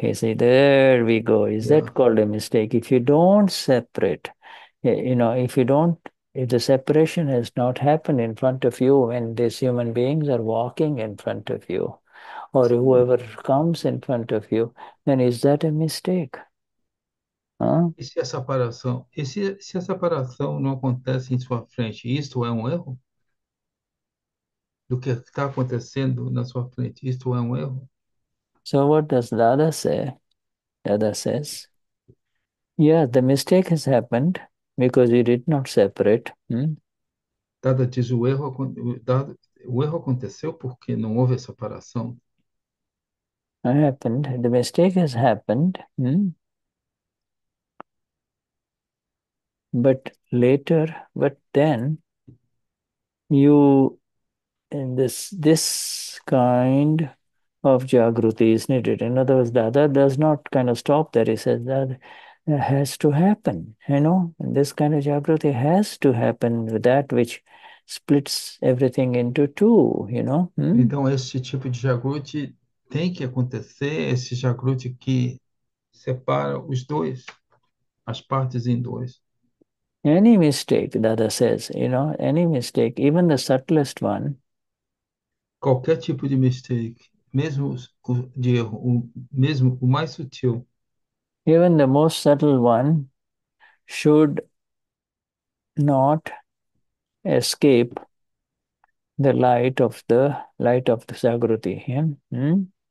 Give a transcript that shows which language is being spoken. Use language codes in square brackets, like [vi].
[en] You see, there we go. Is that called a mistake? If you don't separate, if you don't, if the separation has not happened in front of you when these human beings are walking in front of you, or whoever comes in front of you, then is that a mistake? [pt] E se a separação não acontece em sua frente, isto é um erro? Do que está acontecendo na sua frente, isto é um erro? [en] So what does Dada say? Dada says, yeah, the mistake has happened because you did not separate. [pt] Dada diz o erro aconteceu porque não houve separação. [en] Happened. The mistake has happened. But then you in this kind of Jagruti is needed. In other words, Dada does not kind of stop there. He says that has to happen. And this kind of Jagruti has to happen with that which splits everything into two, [pt] Então, esse tipo de Jagrut tem que acontecer, esse Jagrut que separa os dois, as partes em dois. [en] Any mistake, Dada says, any mistake, even the subtlest one. [pt] Qualquer tipo de mistake, mesmo de erro, mesmo o mais sutil. [en] Even the most subtle one should not escape the light of the Jagruti.